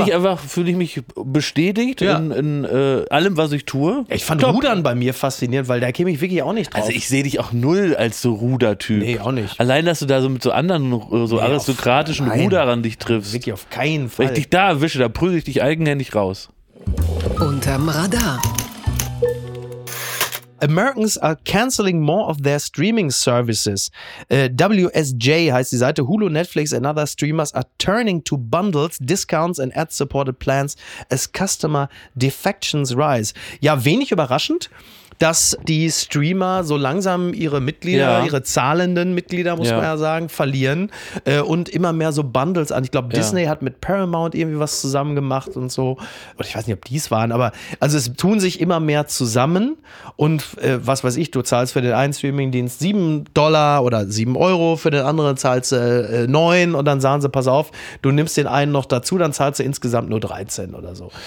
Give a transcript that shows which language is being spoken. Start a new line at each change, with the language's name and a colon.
German: ich einfach, fühle ich mich bestätigt in allem, was ich tue. Ich fand Rudern bei mir faszinierend, weil da käme ich wirklich auch nicht drauf. Also ich sehe dich auch null als so Rudertyp. Nee, auch nicht. Allein, dass du da so mit so anderen so aristokratischen Rudern daran dich triffst. Wirklich auf keinen Fall. Wenn ich dich da erwische, da prügel ich dich eigenhändig raus. Unterm Radar.
English: Americans are canceling more of their streaming services. WSJ
German: heißt die Seite.
English: Hulu, Netflix and other streamers are turning to bundles, discounts and ad-supported plans as customer defections rise.
German: Ja, wenig überraschend, dass die Streamer so langsam ihre Mitglieder, ihre zahlenden Mitglieder, muss man ja sagen, verlieren und immer mehr so Bundles an. Ich glaube, Disney hat mit Paramount irgendwie was zusammen gemacht und so. Und ich weiß nicht, ob die es waren, aber also es tun sich immer mehr zusammen und was weiß ich, du zahlst für den einen Streamingdienst $7 oder 7 Euro, für den anderen zahlst du 9 und dann sagen sie, pass auf, du nimmst den einen noch dazu, dann zahlst du insgesamt nur 13 oder so.